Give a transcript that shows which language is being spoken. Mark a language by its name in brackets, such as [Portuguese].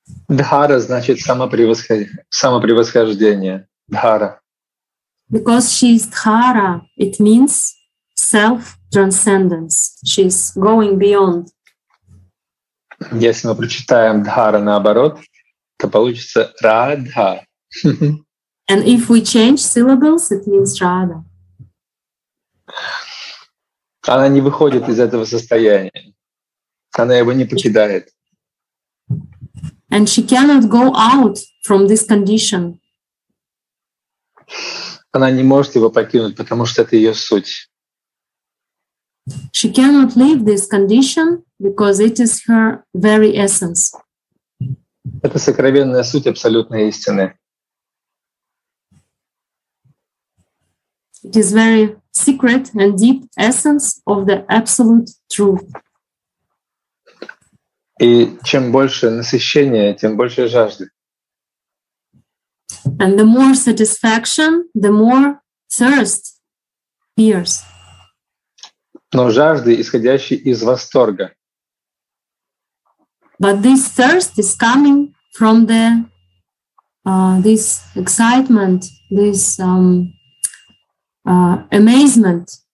[Russian] Дхара значит самопревосхождение. Дхара. [English] Because she is Дхара, it means self-transcendence. She is going beyond. [Russian] Если мы прочитаем Дхара наоборот, то получится Радха. [English] And if we change syllables, it means Radha. [Russian] Она не выходит из этого состояния. Она его не покидает. [English] And she cannot go out from this condition. [Russian] Она не может его покинуть, потому что это ее суть. [English] She cannot leave this condition because it is her very essence. [Russian] Это сокровенная суть абсолютной истины. [English] It is very secret and deep essence of the absolute truth. [Russian] И чем больше насыщения, тем больше жажды. [English] And the more satisfaction, the more thirst appears. [Russian] Но жажды, исходящие из восторга. [English] But this thirst is coming from the this excitement, this amazement.